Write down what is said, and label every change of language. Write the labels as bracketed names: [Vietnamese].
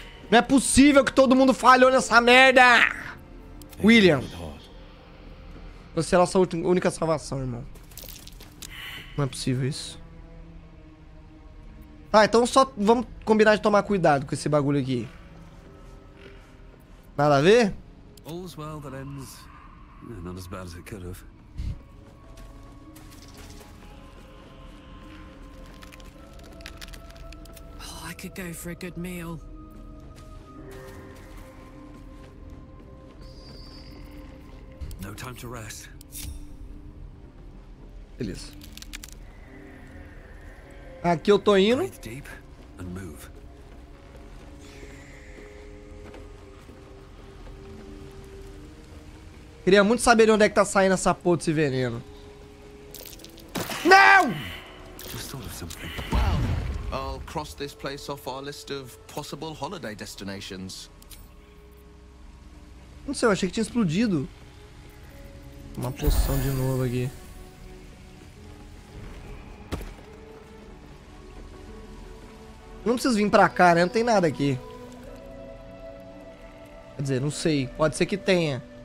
[Portuguese] Não é possível que todo mundo falhou nessa merda! William. Você é a nossa única salvação, irmão. Não é possível isso. Tá, então só vamos combinar de tomar cuidado com esse bagulho aqui. Nada a ver? [English] All's well that ends. Not as bad as it could have. I could go for a good meal. No time to rest. [Portuguese] Beleza. Aqui eu tô indo. [English] Breathe deep and move. [Portuguese] Queria muito saber de onde é que tá saindo essa porra desse veneno. Não! [English] Just thought of something. I'll cross this place off our list of possible holiday destinations. [Portuguese] Não sei, eu achei que tinha explodido. Uma poção de novo aqui. Não preciso vir pra cá, né? Não tem nada aqui. Quer dizer, não sei. Pode ser que tenha.